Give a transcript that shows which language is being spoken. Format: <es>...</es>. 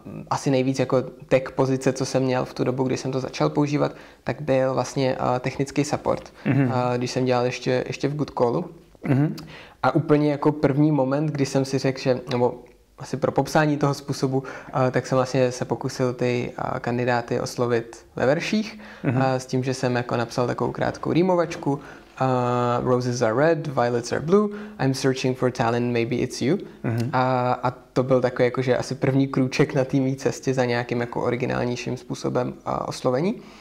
<cs>Asi nejvíc jako tech pozice, co jsem měl v tu dobu, kdy jsem to začal používat, tak byl vlastně technický support, když jsem dělal ještě v Good Callu. Mm-hmm. A úplně jako první moment, kdy jsem si řekl, že, nebo asi pro popsání toho způsobu, tak jsem vlastně se pokusil ty kandidáty oslovit ve verších, s tím, že jsem jako napsal takovou krátkou rýmovačku.</cs> <en>Roses are red, violets are blue, I'm searching for talent, maybe it's you.</en> <cs>A to byl takový jakože asi první krůček na té mý cestě za nějakým jako originálnějším způsobem oslovení.</cs>